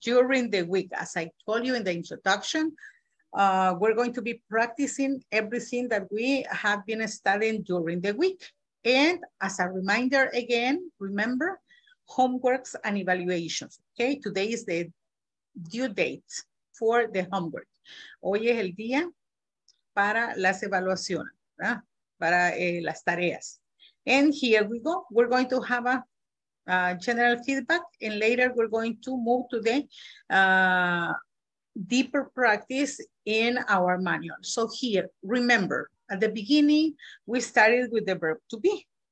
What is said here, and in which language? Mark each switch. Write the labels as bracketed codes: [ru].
[en] During the week, as I told you in the introduction, we're going to be practicing everything that we have been studying during the week. And as a reminder again, remember, homeworks and evaluations. Okay, today is the due date for the homework. [es] Hoy es el día para las evaluaciones, ¿verdad? Para las tareas. [en] And here we go. We're going to have a general feedback and later we're going to move to the deeper practice in our manual. So here, remember, at the beginning, we started with the verb to be.